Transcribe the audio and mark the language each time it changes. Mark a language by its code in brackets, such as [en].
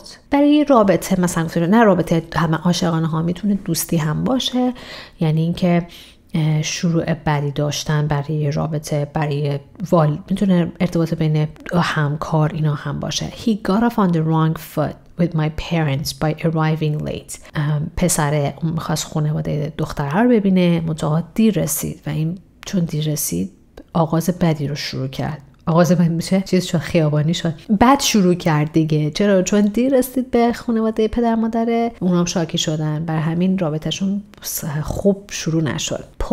[fa] برای رابطه مثلا گفتید، نه رابطه همه عاشقانه ها، میتونه دوستی هم باشه، یعنی اینکه شروع بدی داشتن برای رابطه، برای والی، میتونه ارتباط بین همکار اینا هم باشه. [en] He got off on the wrong foot with my parents by arriving late. [fa] پسره میخواست خانواده دختره رو ببینه، منتها دیر رسید و این چون دیر رسید آغاز بدی رو شروع کرد. آغاز بدی میشه چیز شد، خیابانی شد، بد شروع کرد دیگه. چرا؟ چون دیر رسید به خانواده پدر مادره، اونام شاکی شدن، بر همین رابطهشون خوب شروع نشد.